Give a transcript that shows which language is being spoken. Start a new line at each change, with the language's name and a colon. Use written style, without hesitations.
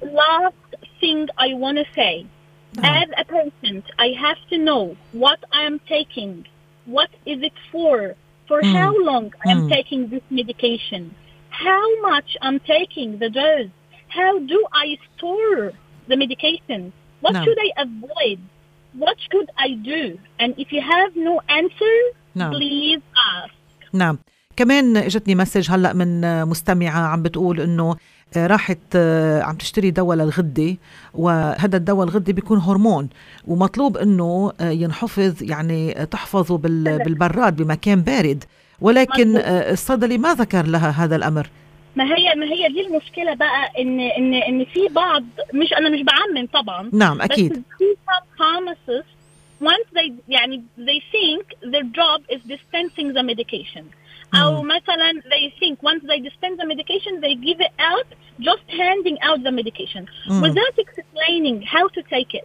English: last thing I want to say, as a patient, I have to know what I'm taking, what is it for how long I'm taking this medication, how much I'm taking the dose, how do I store the medication? What should I avoid? What could I do? And if you have no answer, please ask.
Arabic: نعم. كمان اجتني مسج هلأ من مستمعة عم بتقول انه راحت عم تشتري دواء للغدة وهذا الدواء الغدة بيكون هرمون ومطلوب انه ينحفظ يعني تحفظه بالبراد بمكان بارد ولكن الصيدلي ما ذكر لها هذا الامر. ما هي دي المشكلة بقى ان ان ان في بعض مش انا مش بعمم طبعا نعم اكيد بس في
English: pharmacists once they يعني they think their job is dispensing the medication
Arabic: أو مثلا
English: they think once they dispense the medication they give it out just handing out the medication without explaining how to take it.